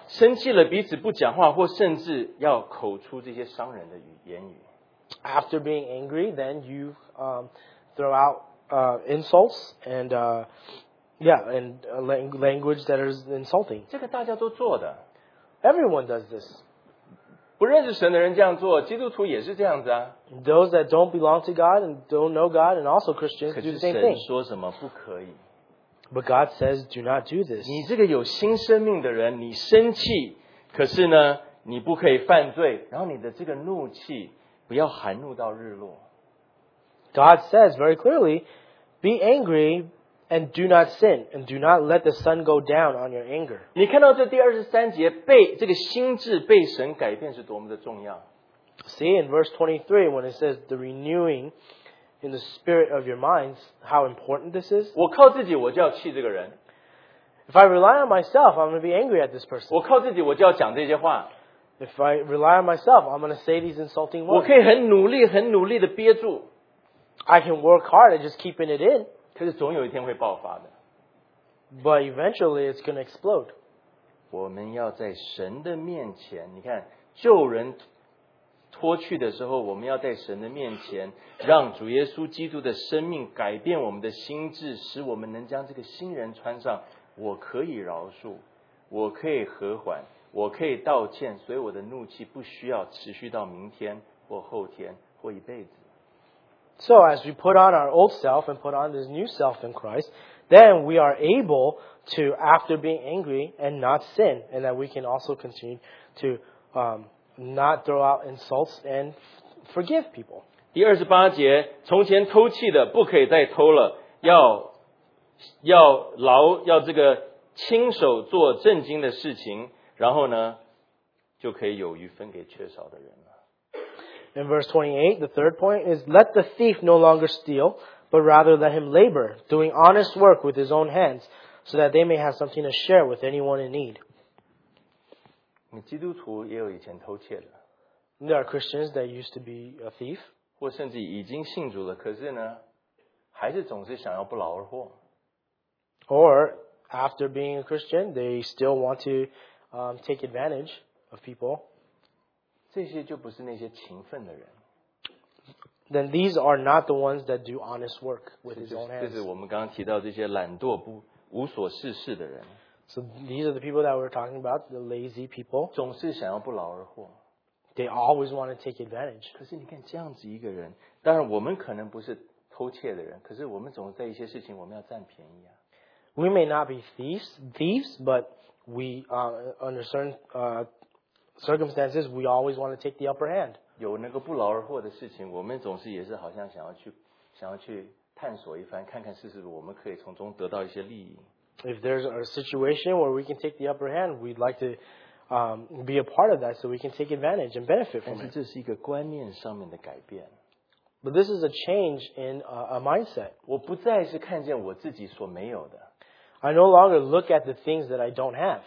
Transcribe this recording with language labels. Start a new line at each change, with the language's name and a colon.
Chinese: 生气了彼此不讲话，或甚至要口出这些伤人的言语。
English: After being angry, then you throw out insults and language that is insulting.
Chinese: 这个大家都做的。
English: Everyone does this.
Chinese: 不认识神的人这样做，基督徒也是这样子啊。
English: Those that don't belong to God and don't know God and also Christians do the same thing.
Chinese: 可是神说什么不可以。
English: But God says, "Do not do this."
Chinese: 你这个有新生命的人，你生气，可是呢，你不可以犯罪。然后你的这个怒气不要含怒到日落。
English: God says very clearly, "Be angry and do not sin, and do not let the sun go down on your anger."
Chinese: 你看到这第二十三节被这个心智被神改变是多么的重要。
English: See in verse 23 when it says the renewing. In the spirit of your minds, how important this is.
Chinese: 我靠自己，我就要气这个人。
English: If I rely on myself, I'm going to be angry at this person.
Chinese: 我靠自己，我就要讲这些话。
English: If I rely on myself, I'm going to say these insulting words.
Chinese: 我可以很努力、很努力的憋住。
English: I can work hard at just keeping it in.
Chinese: 可是总有一天会爆发的。
English: But eventually, it's going to explode.
Chinese: 我们要在神的面前，你看救人。脱去的时候，我们要在神的面前，让主耶稣基督的生命改变我们的心智，使我们能将这个新人穿上。我可以饶恕，我可以和缓，我可以道歉，所以我的怒气不需要持续到明天或后天或一辈子。
English: So as we put on our old self and put on this new self in Christ, then we are able to, after being angry, and not sin, and that we can also continue to not throw out insults and forgive people.
Chinese: 第二十八节，从前偷窃的不可以再偷了，要牢要这个亲手做正经的事情，然后呢，就可以有余分给缺少的人了。
English: In verse 28, the third point is let the thief no longer steal, but rather let him labor, doing honest work with his own hands, so that they may have something to share with anyone in need.
Chinese: 你基督徒也有以前偷窃的。
English: There are Christians that used to be a thief.
Chinese: 或甚至已经信主了，可是呢，还是总是想要不劳而获。
English: Or after being a Christian, they still want to take advantage of people.
Chinese: 这些就不是那些勤奋的人。
English: Then these are not the ones that do honest work with his own hands.
Chinese: 就是我们刚刚提到这些懒惰不无所事事的人。
English: So these are the people that we're talking about, the lazy people.
Chinese: 总是想要不劳而获。
English: They always want to take advantage.
Chinese: 可是你看这样子一个人，当然我们可能不是偷窃的人，可是我们总在一些事情我们要占便宜啊。
English: We may not be thieves, but we, under certain circumstances, we always want to take the upper hand.
Chinese: 有那个不劳而获的事情，我们总是也是好像想要去探索一番，看看是不是我们可以从中得到一些利益。
English: If there's a situation where we can take the upper hand, we'd like to be a part of that so we can take advantage and benefit from it.
Chinese: 但是这是一个观念上面的改变。
English: But this is a change in a mindset.
Chinese: 我不再是看见我自己所没有的。
English: I no longer look at the things that I don't have,